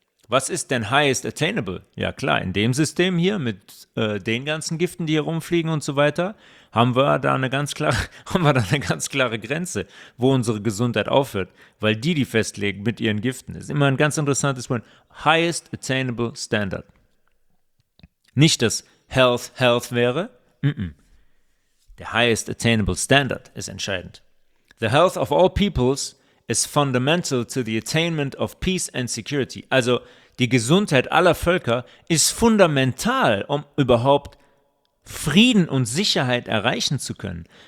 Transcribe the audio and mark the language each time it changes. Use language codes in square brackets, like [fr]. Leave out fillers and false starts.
[de] Was ist denn highest attainable? Ja klar, in dem System hier mit den ganzen Giften, die hier rumfliegen und so weiter, haben wir da eine ganz klare Grenze, wo unsere Gesundheit aufhört, weil die festlegen mit ihren Giften. Das ist immer ein ganz interessantes Punkt. Highest attainable standard. Nicht, dass health wäre. Mm-mm. Der highest attainable standard ist entscheidend. [en] The health of all peoples is fundamental to the attainment of peace and security. [de] Also die Gesundheit aller Völker ist fundamental, um überhaupt Frieden und Sicherheit erreichen zu können.